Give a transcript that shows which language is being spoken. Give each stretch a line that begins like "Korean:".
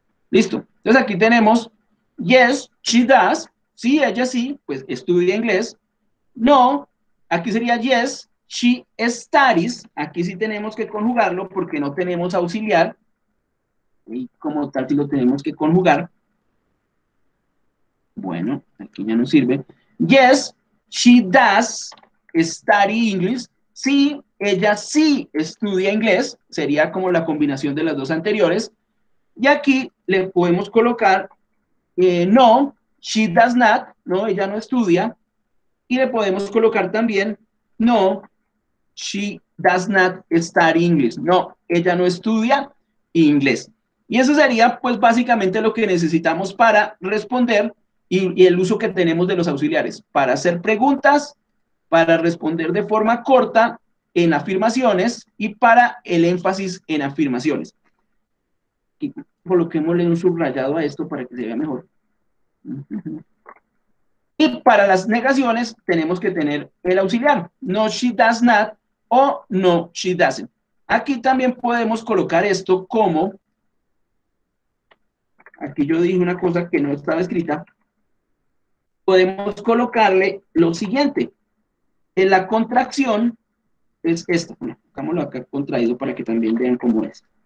Spanish: Listo. Entonces aquí tenemos,
English: yes, she does.
Spanish: Sí, ella sí, pues estudia inglés. No, aquí sería
English: yes, she studies.
Spanish: Aquí sí tenemos que conjugarlo porque no tenemos auxiliar. Y como tal, sí lo tenemos que conjugar. Bueno, aquí ya no sirve.
English: Yes, she does study English.
Spanish: Sí, ella sí estudia inglés. Sería como la combinación de las dos anteriores. Y aquí le podemos colocar
English: no, she does not,
Spanish: no, ella no estudia. Y le podemos colocar también
English: no, she does not study English.
Spanish: No, ella no estudia inglés. Y eso sería, pues, básicamente lo que necesitamos para responder y el uso que tenemos de los auxiliares para hacer preguntas, para responder de forma corta en afirmaciones y para el énfasis en afirmaciones. Aquí coloquémosle un subrayado a esto para que se vea mejor. Y para las negaciones tenemos que tener el auxiliar.
English: No, she does not o no, she doesn't.
Spanish: Aquí también podemos colocar esto como, aquí yo dije una cosa que no estaba escrita, podemos colocarle lo siguiente. En la contracción es esta. Bueno, dejámoslo acá contraído para que también vean cómo es.